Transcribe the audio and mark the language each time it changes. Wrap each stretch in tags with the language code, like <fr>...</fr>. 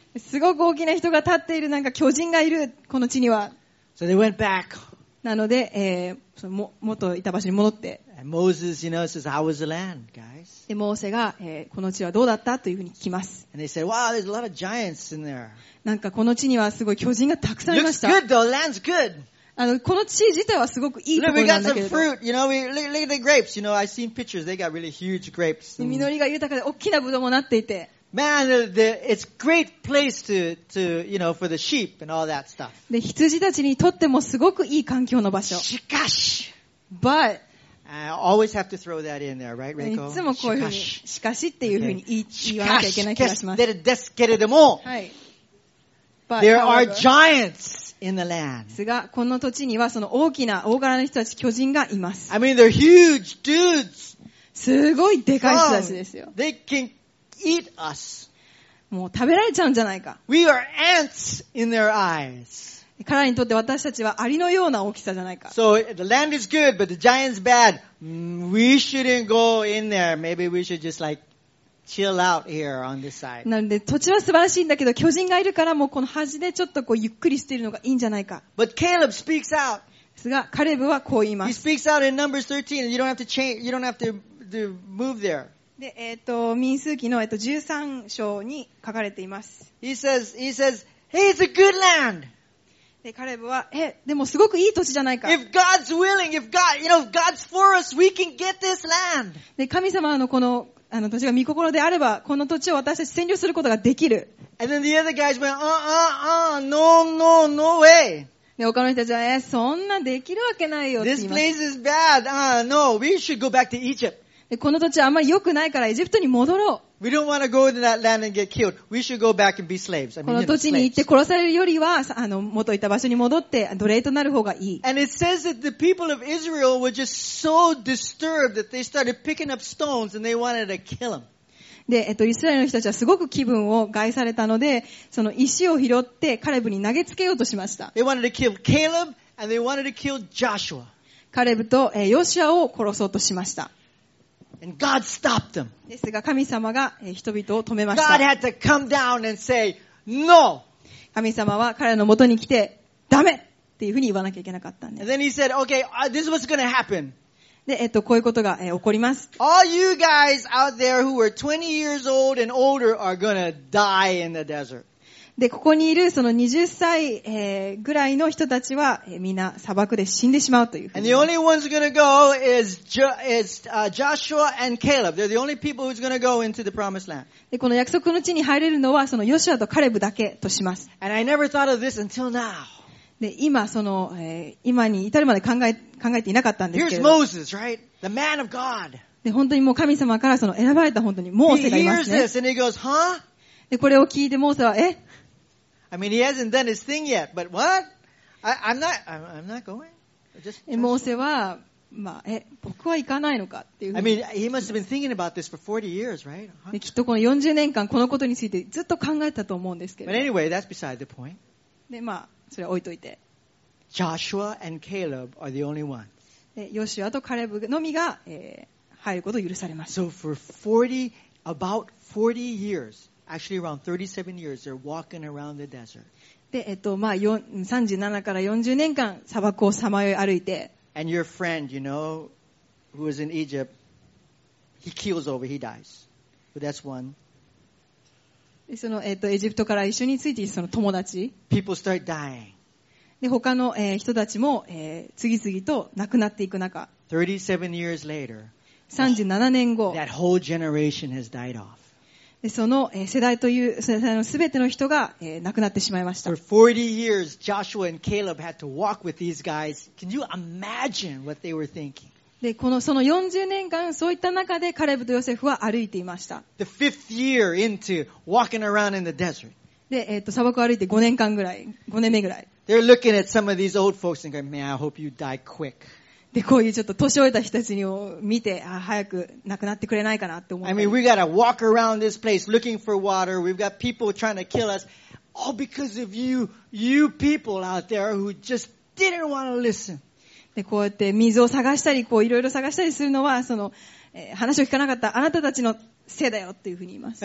<ja>すごく大きな人が立っている、なんか巨人がいるこの地には。</ja> <en>So they went back.</en> <ja>なので、元いた場所に戻って。</ja> <en>And Moses, you know, says, "How was the land, guys?"</en> <ja>で、モーセが、この地はどうだったというふうに聞きます。</ja> <en>And they said, "Wow, there's a lot of giants in there."</en> <ja>なんかこの地にはすごい巨人がたくさんいました。</ja> <en>Looks good, though. Land's good.</en> <ja>この地自体はすごくいいところなんだけど。</ja> <en>We got some fruit. You know, look at the grapes. You know, I've seen pictures. They got really huge grapes.</en> <ja>実りが豊かで大きなブドウもなっていて。</ja> <en>Man, it's great place to you know for the sheep and all that stuff.</en> <ja>で、羊たちにとってもすごくいい環境の場所。しかし、</ja> <en>but I always have to throw that in there, right, Reiko?</en> <ja>いつもこういうふうに、しかしっていうふうに言わなきゃいけない気がします。ですけれども、はい。</ja> <en>There are giants in the land.</en> <ja>ですが、この土地にはその大きな大柄の人たち、巨人がいます。</ja> <en>I mean, they're huge dudes.</en> <ja>すごいでかい人たちですよ。</ja> <en>They can eat us.</en> <ja>もう食べられちゃうんじゃないか。</ja> <en>We are ants in their eyes.</en> <ja>彼にとって私たちはアリのような大きさじゃないか。</ja> <en>So, the land is good, but the giant's bad. We shouldn't go in there. Maybe we should just like chill out here on this side.</en> <ja>なので土地は素晴らしいんだけど、巨人がいるからもうこの端でちょっとこうゆっくりしているのがいいんじゃないか。</ja> <en>But Caleb speaks out.</en> <ja>ですが、カレブはこう言います。</ja> <en>He speaks out in Numbers 13. You don't have to change, you don't have to move there.</en> <ja>で、民数記の13章に書かれています。</ja> <en>He says, hey, it's a good land!</en> <ja>で、カレブは、でもすごくいい土地じゃないか。</ja> <en>If God's willing, if God, you know, if God's for us, we can get this land.</en> <ja>で、神様のこの、土地が御心であれば、この土地を私たち占領することができる。</ja> <en>And then the other guys went, no, no, no way.</en> <ja>で、他の人たちは、そんなできるわけないよ。</ja> <en>This place is bad, no, we should go back to Egypt.</en> <ja>この土地はあまり良くないからエジプトに戻ろう。</ja> <en>We don't want to go to that land and get killed. We should go back and be slaves. I mean,</en> <ja>この土地に行って殺されるよりは、元いた場所に戻って奴隷となる方がいい。</ja> <en>And it says that the people of Israel were just so disturbed that they started picking up stones and they wanted to kill them.</en> <ja>で、イスラエルの人たちはすごく気分を害されたので、その石を拾ってカレブに投げつけようとしました。</ja> <en>They wanted to kill Caleb and they wanted to kill Joshua.</en> <ja>カレブとヨシュアを殺そうとしました。</ja> <en>And God stopped them.</en> <ja>ですが神様が人々を止めました。</ja> <en>God had to come down and say, no!</en> <ja>神様は彼らの元に来て、ダメ!っていうふうに言わなきゃいけなかったんです。</ja> <en>And then he said, okay, this is what's going to happen.</en> <ja>で、こういうことが、起こります。</ja> <en>All you guys out there who are 20 years old and older are gonna die in the desert.</en> <ja>で、ここにいるその20歳、ぐらいの人たちは、みんな砂漠で死んでしまうというふうに。</ja> <en>And the only ones gonna go is Joshua and Caleb. They're the only people who's gonna go into the promised land.</en> <ja>で、この約束の地に入れるのはそのヨシュアとカレブだけとします。</ja> <en>And I never thought of this until now.</en> <ja>で、今、その、今に至るまで考えていなかったんですけど。</ja> <en>Here's Moses, right? The man of God.</en> <ja>で、本当にもう神様からその選ばれた本当にモーセがいますね。</ja> <en>He hears this and he goes, huh?</en> <ja>で、これを聞いてモーセは、え?</ja> <en>I mean, he hasn't done his thing yet, but what? I'm not going.</en> <ja>モーセは、まあ、僕は行かないのかっていうふうに。</ja> <en>I mean, he must have been thinking about this for 40 years, right?</en> <ja>で、きっとこの40年間このことについてずっと考えたと思うんですけど。</ja> <en>But anyway, that's beside the point.</en> <ja>で、まあ、それ置いといて。</ja> <en>Joshua and Caleb are the only ones.</en> <ja>ヨシュアとカレブのみが、入ることを許されました。</ja> <en>So for 40 years, actually around 37 years, they're walking around the desert.</en> <ja>で、まあ、37から40年間砂漠をさまよい歩いて。</ja> <en>And your friend, you know, who was in Egypt, he keels over, he dies. But that's one.</en> <ja>その、エジプトから一緒についているその友達。</ja> <en>People start dying.</en> <ja>で、他の、人たちも、次々と亡くなっていく中。</ja> <en>37 years later,</en> <ja>37年後、</ja> <en>that whole generation has died off.</en> <ja>で、その、世代という、世代の全ての人が、亡くなってしまいました。</ja> <en>For 40 years, Joshua and Caleb had to walk with these guys. Can you imagine what they were thinking?</en> <ja>で、この、その40年間、そういった中で、カレブとヨセフは歩いていました。</ja> <en>The fifth year into walking around in the desert.</en> <ja>で、砂漠を歩いて5年間ぐらい、5年目ぐらい。</ja> <en>They're looking at some of these old folks and going, man, I hope you die quick.</en> <ja>で、こういうちょっと年老いた人たちを見て、あ、早く亡くなってくれないかなって思って。</ja> <en>I mean, we gotta walk around this place looking for water. We've got people trying to kill us. All because of you, you people out there who just didn't want to listen.</en> <ja>でこうやって水を探したりこういろいろ探したりするのはその、話を聞かなかったあなたたちのせいだよっていうふうに言います。</ja>